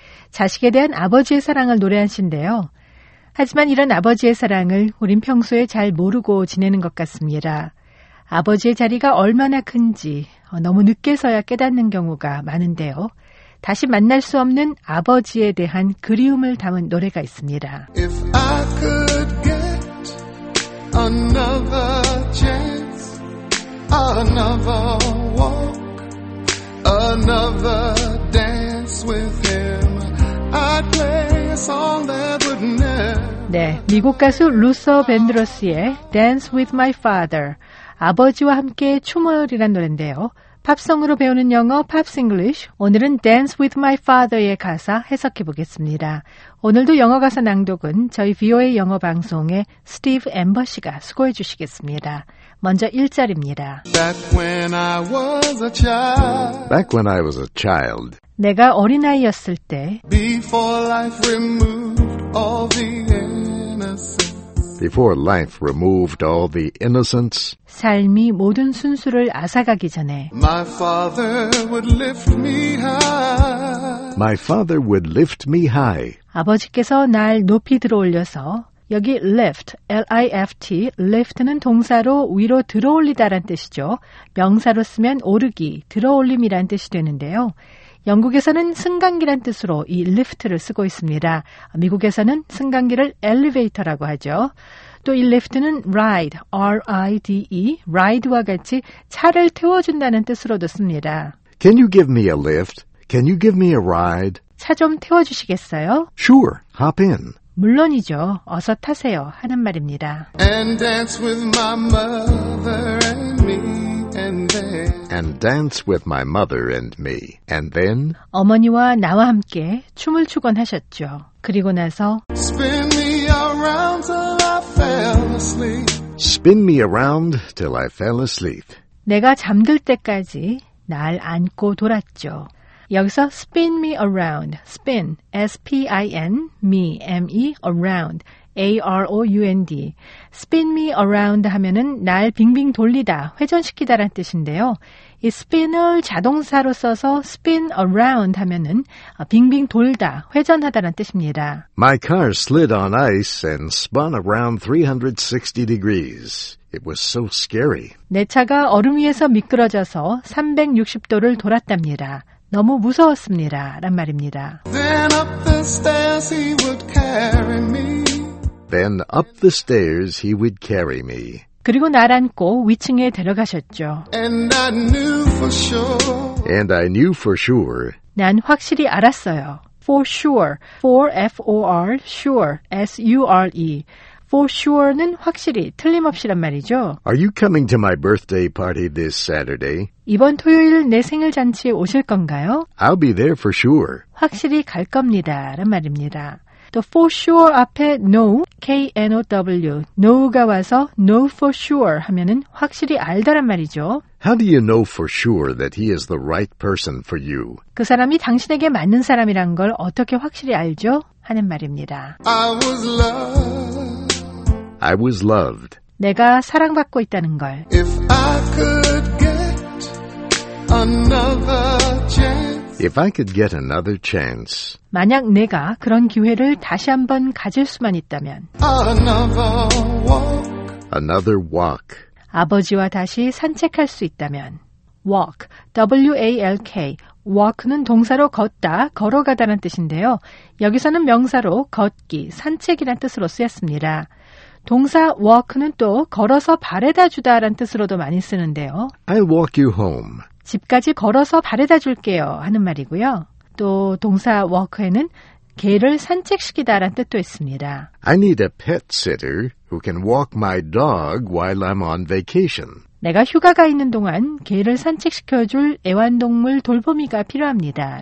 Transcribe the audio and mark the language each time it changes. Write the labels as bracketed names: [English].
[Korean] 자식에 대한 아버지의 사랑을 노래한 시인데요. 하지만 이런 아버지의 사랑을 우린 평소에 잘 모르고 지내는 것 같습니다. 아버지의 자리가 얼마나 큰지 너무 늦게서야 깨닫는 경우가 많은데요. 다시 만날 수 없는 아버지에 대한 그리움을 담은 노래가 있습니다. [English] If I could get another chance, another walk, another dance with him, I'd play a song that would never. [Korean] 네, 미국 가수 루서 벤드러스의 Dance with My Father, 아버지와 함께 춤을이란 노래인데요. 팝송으로 배우는 영어 팝스 잉글리쉬, 오늘은 Dance with my father의 가사 해석해 보겠습니다. 오늘도 영어 가사 낭독은 저희 VOA 영어 방송의 스티브 앰버 씨가 수고해 주시겠습니다. 먼저 1절입니다. [English] Back when I was a child. Back when I was a child. [Korean] 내가 어린아이였을 때. [English] Before life removed all the innocence. Before life removed all the innocence, [Korean] 삶이 모든 순수를 앗아가기 전에, [English] my father would lift me high. My father would lift me high. [Korean] 아버지께서 날 높이 들어올려서, 여기 lift, L-I-F-T, lift는 동사로 위로 들어올리다란 뜻이죠. 명사로 쓰면 오르기, 들어올림이란 뜻이 되는데요. 영국에서는 승강기란 뜻으로 이 리프트를 쓰고 있습니다. 미국에서는 승강기를 엘리베이터라고 하죠. 또 이 리프트는 ride, R-I-D-E, ride와 같이 차를 태워준다는 뜻으로도 씁니다. [English] Can you give me a lift? Can you give me a ride? [Korean] 차 좀 태워주시겠어요? [English] Sure, hop in. [Korean] 물론이죠. 어서 타세요 하는 말입니다. [English] And dance with my mother and me. And dance with my mother and me. And then [Korean] 어머니와 나와 함께 춤을 추곤 하셨죠. 그리고 나서 [English] spin me around till I fell asleep. Spin me around till I fell asleep. [Korean] 내가 잠들 때까지 날 안고 돌았죠. [English] 여기서 spin me around, spin, S-P-I-N, me, M-E, around, A-R-O-U-N-D. Spin me around [Korean] 하면은 날 빙빙 돌리다, 회전시키다란 뜻인데요. 이 spin을 자동사로 써서 [English] spin around [Korean] 하면은 빙빙 돌다, 회전하다란 뜻입니다. [English] My car slid on ice and spun around 360 degrees. It was so scary. [Korean] 내 차가 얼음 위에서 미끄러져서 360도를 돌았답니다. 너무 무서웠습니다. 란 말입니다. [English] Then up the stairs he would carry me. Then up the stairs he would carry me. [Korean] 그리고 날 안고 위층에 데려가셨죠. [English] And I knew for sure. And I knew for sure. [Korean] 난 확실히 알았어요. [English] For sure. For F-O-R. Sure. S-U-R-E. [Korean] For sure는 확실히, 틀림없이란 말이죠. [English] Are you coming to my birthday party this Saturday? [Korean] 이번 토요일 내 생일 잔치에 오실 건가요? [English] I'll be there for sure. [Korean] 확실히 갈 겁니다란 말입니다. 또 for sure 앞에 no, K-N-O-W, no가 와서 [English] no for sure [Korean] 하면은 확실히 알다란 말이죠. [English] How do you know for sure that he is the right person for you? [Korean] 그 사람이 당신에게 맞는 사람이란 걸 어떻게 확실히 알죠? 하는 말입니다. [English] I was loved. I was loved. [Korean] 내가 사랑받고 있다는 걸. [English] If I could get another chance. If I could get another chance. [Korean] 만약 내가 그런 기회를 다시 한번 가질 수만 있다면. [English] Another walk. Another walk. [Korean] 아버지와 다시 산책할 수 있다면. [English] Walk. W-A-L-K. [Korean] Walk는 동사로 걷다, 걸어가다는 뜻인데요. 여기서는 명사로 걷기, 산책이란 뜻으로 쓰였습니다. 동사 walk는 또 걸어서 바래다 주다란 뜻으로도 많이 쓰는데요. [English] I'll walk you home. [Korean] 집까지 걸어서 바래다 줄게요 하는 말이고요. 또 동사 walk에는 개를 산책시키다란 뜻도 있습니다. [English] I need a pet sitter who can walk my dog while I'm on vacation. [Korean] 내가 휴가가 있는 동안 개를 산책시켜줄 애완동물 돌보미가 필요합니다.